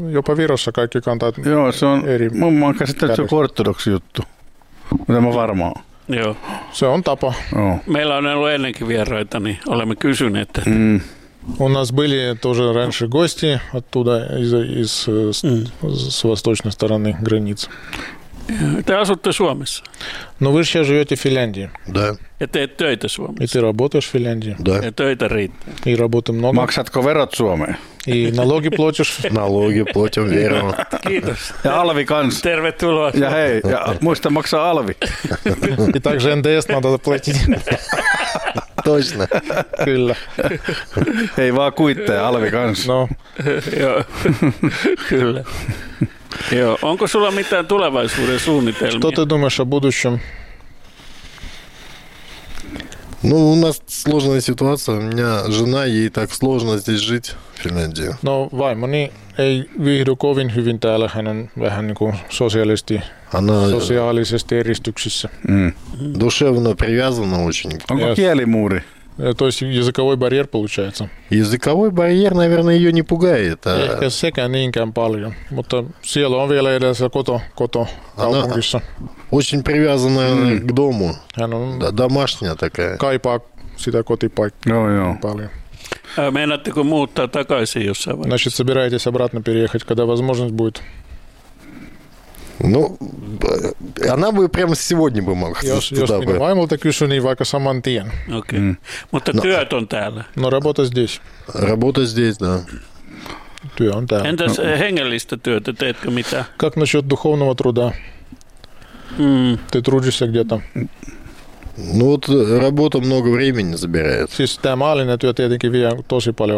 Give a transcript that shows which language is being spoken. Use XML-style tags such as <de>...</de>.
<fi>Jopa Virossa kaikki kantaa. Joo, se on, mun mä oon käsittänyt, se on ortodoksi juttu. Mutta mä varmaan. Joo. Se on tapa. Joo. Meillä on ollut ennenkin vieraita, niin olemme kysyneet. Että... Mm.</fi> <ru>У нас были тоже раньше гости оттуда, из с восточной стороны границ. Ты живёшь в</ru> <fi>Suomessa?</fi> <ru>Но вы сейчас живете в Финляндии. Да. И ты</ru> <fi>töitä Suomessa?</fi> <ru>И ты работаешь в Финляндии. Да.</ru> <fi>И töitä riittää.</fi> <ru>И работы много.</ru> <fi>Maksatko verot Suomeen?</fi> <ru>И налоги платишь? Налоги платим верно.</ru> <fi>Kiitos. Ja alvi kans. Tervetuloa. Ja hei, ja muista maksaa alvi.</fi> <ru>И также НДС надо платить. Точно.</ru> <fi>Kyllä. Hei vaan kuitteja, alvi kans. No. Joo. Kyllä. Joo, onko sulla mitään tulevaisuuden suunnitelmia?</fi> <ru>Что ты думаешь о будущем? Ну, у нас сложная ситуация. У меня жена, ей так сложно здесь жить, в Финляндии.</ru> <fi>No, vaimoni ei viihdy kovin hyvin täällä. Hän on vähän niin kuin sosiaalisesti eristyksissä. Mm.</fi> <ru>Душевно привязана очень.</ru> <fi>Onko kielimuuri?</fi> <ru>То есть языковой барьер получается. Языковой барьер, наверное, ее не пугает. А...</ru> <fi>Ehkä sekään niinkään paljon, mutta siellä on vielä edes koto kaupungissa.</fi> <ru>Очень привязана к дому. Она... Домашняя такая.</ru> <fi>Kaipaa sitä kotipaikkaa. Joo, joo. Paljon. Meinaatteko muuttaa takaisin jossain vaiheessa?</fi> <ru>Значит, собираетесь обратно переехать, когда возможность будет? Ну, она бы прямо сегодня бы могла туда бы.</ru> <fi>Jos minä vaimolta kysyn, niin vaikka saman tien. Okei. Mutta työt on täällä.</fi> <ru>No, работа здесь. Работа здесь, да.</ru> <fi>Työ on täällä. Entäs hengellistä työtä, teetkö mitä?</fi> <ru>Как насчет духовного труда? Ты трудишься где-то? Ну, вот работа много времени забирает.</ru> <fi>Siis tämä maallinen työ tietenkin vie tosi paljon</fi>